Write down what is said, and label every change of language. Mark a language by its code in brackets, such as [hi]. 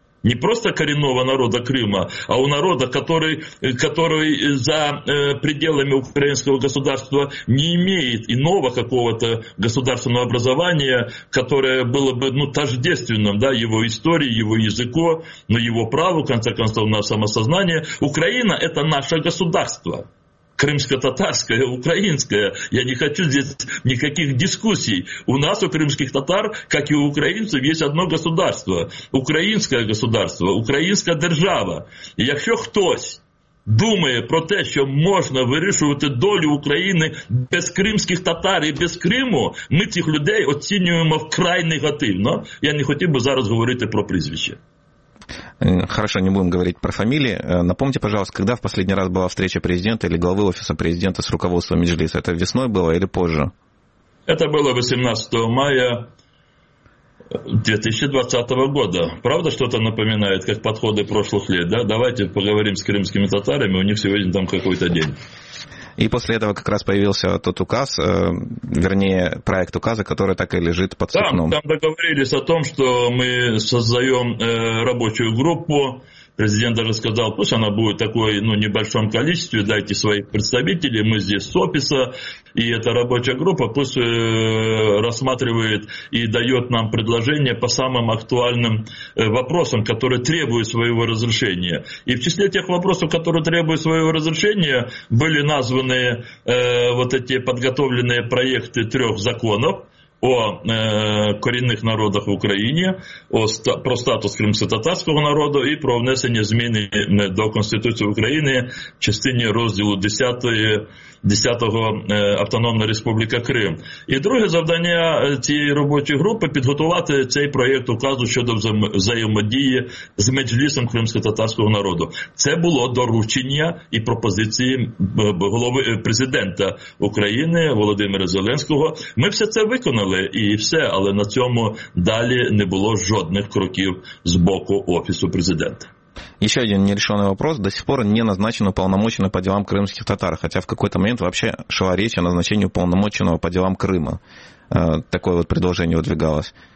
[ru] не просто коренного народа Крыма, а у народа, который за пределами украинского государства не имеет иного какого-то государственного образования, которое было бы тождественным, да, его истории, его языку, но его праву, в конце концов, на самосознание. Украина – это наше государство. Крымско-татарское, украинское. Я не хочу здесь никаких дискуссий. У нас, у крымских татар, как и у украинцев, есть одно государство. Украинское государство, украинская держава. И если кто-то думая [uk] про те, що можна вирішувати долю України без кримських татар і без Криму, ми цих людей оцінюємо вкрай негативно. Я не хотів би зараз говорити про прізвище. [ru] Хорошо, не будем говорить про фамилии. Напомните, пожалуйста, когда в последний раз была встреча президента или главы офиса президента с руководством Меджлиса? Это весной было или позже? Это было 18 мая 2020 года. Правда, что-то напоминает, как подходы прошлых лет, да? Давайте поговорим с крымскими татарами, у них сегодня там какой-то день. И после этого как раз появился тот указ, вернее, проект указа, который так и лежит под сукном. Там договорились о том, что мы создаем рабочую группу. Президент даже сказал, пусть она будет такой, небольшом количестве, дайте своих представителей, мы здесь с офиса, и эта рабочая группа пусть рассматривает и дает нам предложения по самым актуальным вопросам, которые требуют своего разрешения. И в числе тех вопросов, которые требуют своего разрешения, были названы вот эти подготовленные проекты трех законов, [uk] о корінних народах в Україні, про статус кримськотатарського народу і про внесення змін до Конституції України в частині розділу 10-го Автономна Республіка Крим. І друге завдання цієї робочої групи – підготувати цей проєкт указу щодо взаємодії з Меджлісом кримськотатарського народу. Це було доручення і пропозиції голови президента України Володимира Зеленського. Ми все це виконали і все, але на цьому далі не було жодних кроків з боку Офісу президента. [ru] Еще один нерешенный вопрос. До сих пор не назначен уполномоченный по делам крымских татар, хотя в какой-то момент вообще шла речь о назначении уполномоченного по делам Крыма. Такое вот предложение выдвигалось.